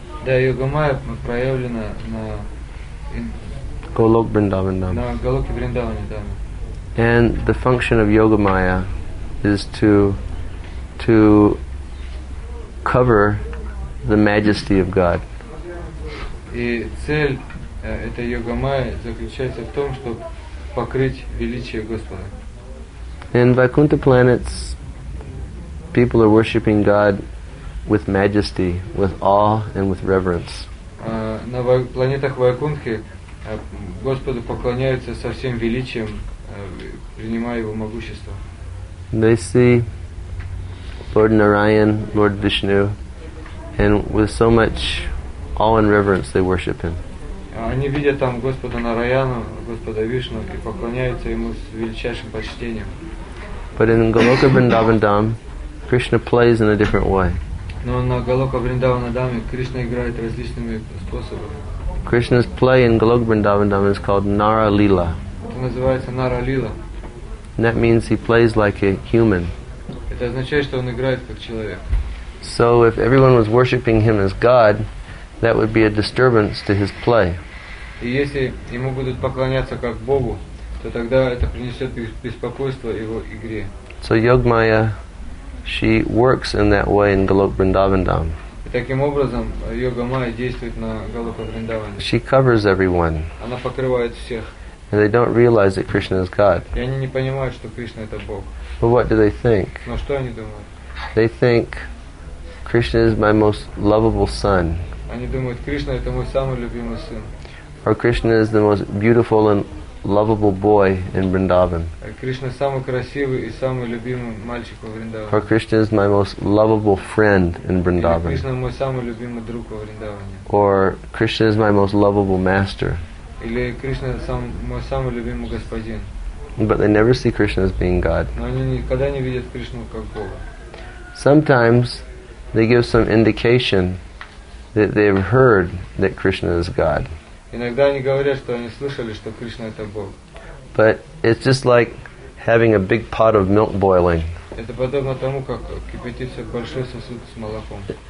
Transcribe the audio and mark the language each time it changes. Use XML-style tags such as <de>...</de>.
<ru>Да, Yogamaya проявлена на.</ru> <en>Golok Vrindavan Dham.</en> <ru>На Голоке Вриндаване.</ru> <en>And the function of Yogamaya is to cover the majesty of God.</en> <ru>И цель этой йогамайи заключается в том, чтобы покрыть величие Господа.</ru> <en>In Vaikuntha planets, people are worshiping God with majesty, with awe and with reverence.</en> <ru>На планетах Вайкунтхи Господу поклоняются со всем величием, принимая его могущество.</ru> <en>They see Lord Narayan, Lord Vishnu, and with so much awe and reverence they worship him.</en> <ru>Они видят там Господа Нараяну, Господа Вишну и поклоняются ему с величайшим почтением.</ru> <en>But in Goloka Vrindavan Dham, Krishna plays in a different way.</en> <ru>Но на Голока Вриндавана Даме Кришна играет различными способами.</ru> <en>Krishna's play in Goloka Vrindavan Dham is called Nara Lila.</en> <ru>Это называется Нара Лила.</ru> <en>That means he plays like a human.</en> <ru>Это означает, что он играет как человек.</ru> <en>So if everyone was worshiping him as God, that would be a disturbance to his play.</en> <ru>И если ему будут поклоняться как Богу, то тогда это принесет беспокойство его игре.</ru> <en>So Yogamaya, she works in that way in Golok Vrindavan Dham.</en> <ru>И таким образом Yogamaya действует на Голока Вриндаване.</ru> <en>She covers everyone.</en> <ru>Она покрывает всех.</ru> <en>And they don't realize that Krishna is God.</en> <ru>И они не понимают, что Кришна это Бог.</ru> <en>But what do they think?</en> <ru>Но что они думают?</ru> <en>They think Krishna is my most lovable son.</en> <ru>Они думают, Кришна это мой самый любимый сын.</ru> <en>Or Krishna is the most beautiful and lovable boy in Vrindavan.</en> <ru>Кришна самый красивый и самый любимый мальчик во Вриндаване.</ru> <en>Or Krishna is my most lovable friend in Vrindavan.</en> <ru>Кришна мой самый любимый друг во Вриндаване.</ru> <en>Or Krishna is my most lovable master.</en> <ru>Или Кришна мой самый любимый господин.</ru> <en>But they never see Krishna as being God.</en> <ru>Но они никогда не видят Кришну как Бога.</ru> <en>Sometimes they give some indication that they've heard that Krishna is God.</en> <ru>Иногда они говорят, что они слышали, что Кришна это Бог.</ru> <en>But it's just like having a big pot of milk boiling.</en> <ru>Это подобно тому, как кипятится большой сосуд с молоком.</ru>